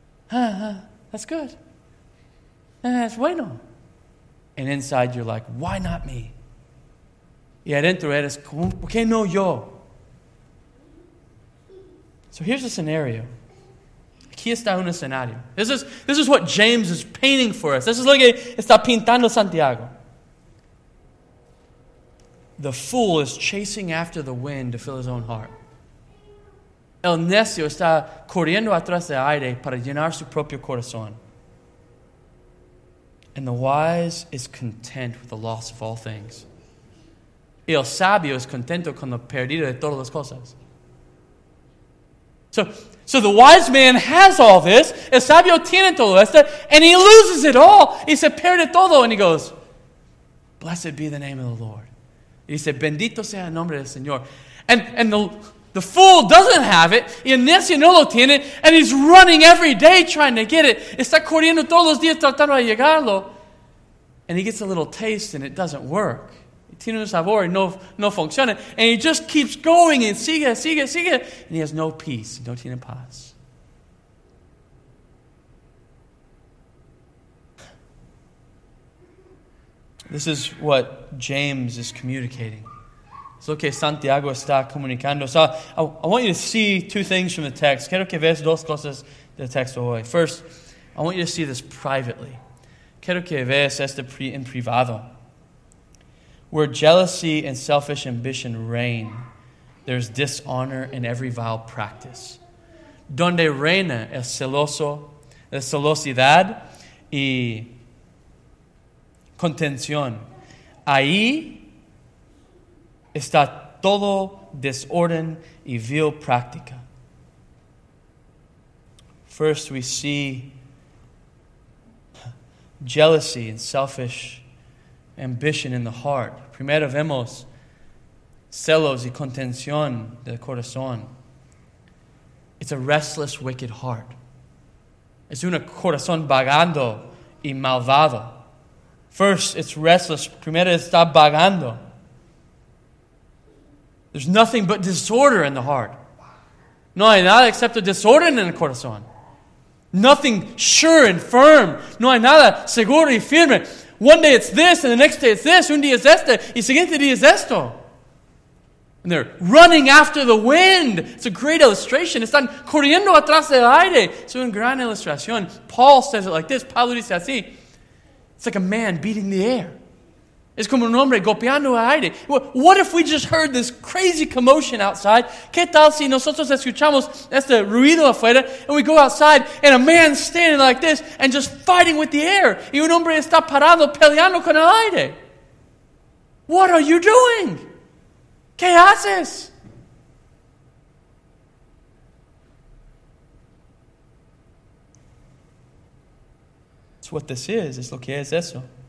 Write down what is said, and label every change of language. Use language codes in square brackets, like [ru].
[en] That's good. That's bueno. And inside you're like, why not me? [es] Y adentro eres, ¿por qué no yo? [en] So here's a scenario. [es] Aquí está un escenario. [en] This is what James is painting for us. This is [es] lo que está pintando Santiago. [en] The fool is chasing after the wind to fill his own heart. [es] El necio está corriendo atrás del aire para llenar su propio corazón. [en] And the wise is content with the loss of all things. [es] Y el sabio es contento con la pérdida de todas las cosas. [en] So the wise man has all this, [es] el sabio tiene todo esto, [en] and he loses it all. [es] Y se pierde todo, [en] and he goes, blessed be the name of the Lord. [es] Y dice, bendito sea el nombre del Señor. [en] And the fool doesn't have it, [es] y el necio no lo tiene, [en] and he's running every day trying to get it. [es] Está corriendo todos los días tratando de llegarlo. [en] And he gets a little taste, and it doesn't work. [es] Tiene un sabor y no funciona. [en] And he just keeps going and sigue. And he has no peace. [es] No tiene paz. [en] This is what James is communicating. [es] Es lo que Santiago está comunicando. [en] So I want you to see two things from the text. [es] Quiero que veas dos cosas del texto hoy. [en] First, I want you to see this privately. [es] Quiero que veas esto en privado. [en] Where jealousy and selfish ambition reign, there's dishonor in every vile practice. [es] Donde reina el celoso, la celosidad y contención, ahí está todo desorden y vil práctica. [en] First, we see jealousy and selfish ambition in the heart. [es] Primero vemos celos y contención del corazón. [en] It's a restless, wicked heart. [es] Es un corazón vagando y malvado. [en] First, it's restless. [es] Primero está vagando. [en] There's nothing but disorder in the heart. [es] No hay nada excepto desorden en el corazón. [en] Nothing sure and firm. [es] No hay nada seguro y firme. [en] One day it's this, and the next day it's this. [es] Un día es este, y siguiente día es esto. [en] And they're running after the wind. It's a great illustration. [es] Están corriendo atrás del aire. Es una gran ilustración. [en] Paul says it like this. [es] Pablo dice así. [en] It's like a man beating the air. [es] Es como un hombre golpeando el aire. [en] What if we just heard this crazy commotion outside? [es] ¿Qué tal si nosotros escuchamos este ruido afuera? [en] And we go outside and a man standing like this and just fighting with the air. [es] Y un hombre está parado peleando con el aire. [en] What are you doing? [es] ¿Qué haces? [en] It's what this is. [es] Es lo que es eso.